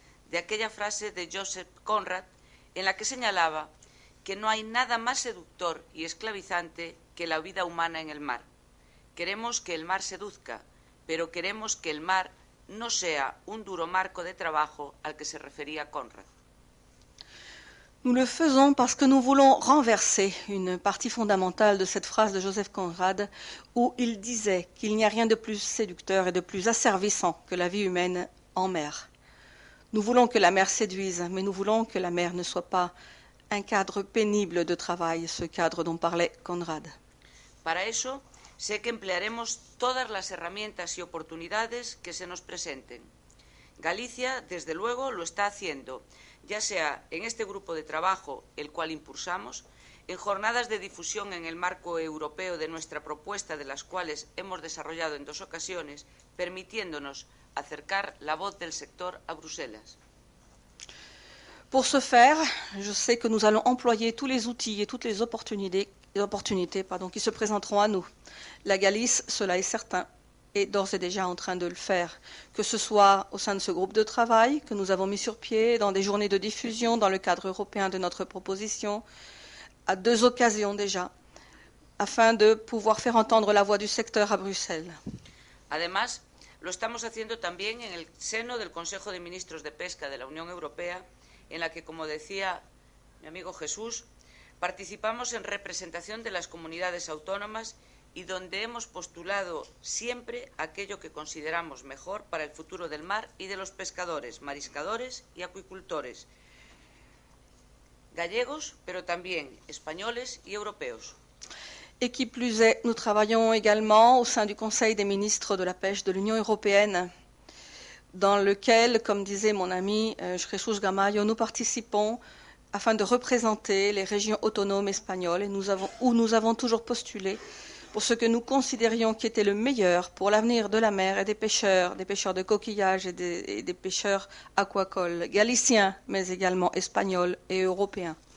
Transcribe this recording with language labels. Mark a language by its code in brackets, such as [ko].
[es] De aquella frase de Joseph Conrad en la que señalaba que no hay nada más seductor y esclavizante que la vida humana en el mar. Queremos que el mar seduzca, pero queremos que el mar no sea un duro marco de trabajo al que se refería Conrad. [fr] Nous le faisons parce que nous voulons renverser une partie fondamentale de cette phrase de Joseph Conrad où il disait qu'il n'y a rien de plus séducteur et de plus asservissant que la vie humaine en mer. Nous voulons que la mer séduise, mais nous voulons que la mer ne soit pas un cadre pénible de travail, ce cadre dont parlait Conrad. [es] Para eso, sé que emplearemos todas las herramientas y oportunidades que se nos presenten. Galicia, desde luego, lo está haciendo, ya sea en este grupo de trabajo, el cual impulsamos, en jornadas de difusión en el marco europeo de nuestra propuesta, de las cuales hemos desarrollado en dos ocasiones, permitiéndonos acercar la voz del sector a Bruselas. [fr] Pour ce faire, je sais que nous allons employer tous les outils et toutes les opportunités, qui se présenteront à nous. La Galice, cela est certain, est d'ores et déjà en train de le faire, que ce soit au sein de ce groupe de travail que nous avons mis sur pied, dans des journées de diffusion dans le cadre européen de notre proposition, à deux occasions déjà, afin de pouvoir faire entendre la voix du secteur à Bruxelles. [es] Además, lo estamos haciendo también en el seno del Consejo de Ministros de Pesca de la Unión Europea, en la que, como decía mi amigo Jesús, participamos en representación de las comunidades autónomas y donde hemos postulado siempre aquello que consideramos mejor para el futuro del mar y de los pescadores, mariscadores y acuicultores, gallegos, pero también españoles y europeos. [fr] Et qui plus est, nous travaillons également au sein du Conseil des ministres de la pêche de l'Union européenne, dans lequel, comme disait mon ami Jesús Gamayo, nous participons afin de représenter les régions autonomes espagnoles, où nous avons toujours postulé pour ce que nous considérions qui était le meilleur pour l'avenir de la mer et des pêcheurs de coquillages et des pêcheurs aquacoles, galiciens, mais également espagnols et européens.